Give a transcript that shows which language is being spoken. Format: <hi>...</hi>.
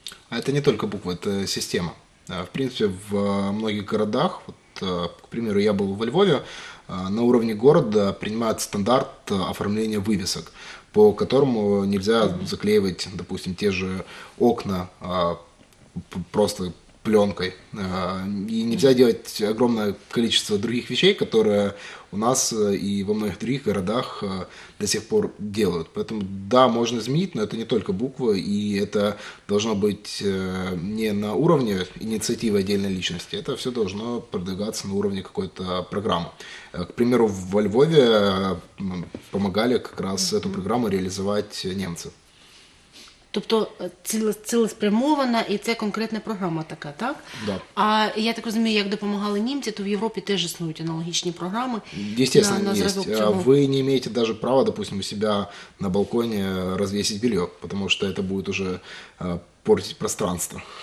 <uk>А це не тільки букви, це система. В принципі, в багатьох містах, от, к примеру, я був у Львові, на рівні міста приймають стандарт оформлення вивісок, по которому нельзя заклеивать, допустим, те же окна просто пленкой.</uk> <ru>И нельзя делать огромное количество других вещей, которые у нас и во многих других городах до сих пор делают. Поэтому да, можно изменить, но это не только буквы, и это должно быть не на уровне инициативы отдельной личности, это все должно продвигаться на уровне какой-то программы. К примеру, во Львове помогали как раз эту программу реализовать немцы.</ru> <uk>Тобто цілеспрямована і це конкретна програма така, так?</uk> <ru>Да.</ru> <uk>А я так розумію, як допомагали німці, то в Європі теж існують аналогічні програми. Дійсно, є. Ви не маєте навіть права, допустим, у себе на балконі розвісити бельо, тому що це буде вже портити пространство.</uk>